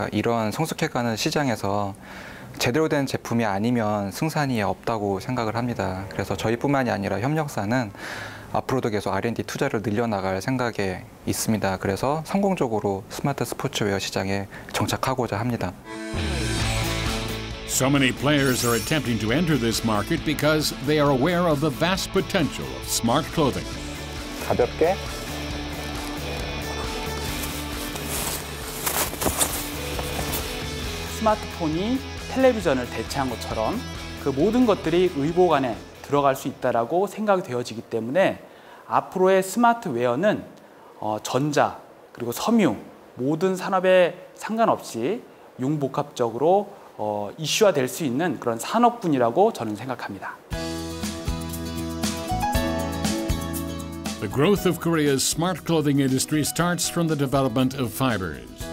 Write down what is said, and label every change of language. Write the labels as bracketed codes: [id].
[ko] 이런 성숙해가는 시장에서 제대로 된 제품이 아니면 승산이 없다고 생각을 합니다. 그래서 저희뿐만이 아니라 협력사는 앞으로도 계속 R&D 투자를 늘려나갈 생각에 있습니다. 그래서 성공적으로 스마트 스포츠웨어 시장에 정착하고자 합니다. [en] So many players are attempting to enter this market because they are aware of the vast potential of smart clothing. [ko] 가볍게 스마트폰이 텔레비전을 대체한 것처럼 그 모든 것들이 의복 안에 들어갈 수 있다라고 생각이 되어지기 때문에 앞으로의 스마트 웨어는 전자 그리고 섬유 모든 산업에 상관없이 융복합적으로 이슈화될 수 있는 그런 산업군이라고 저는 생각합니다. [en] The growth of Korea's smart clothing industry starts from the development of fibers.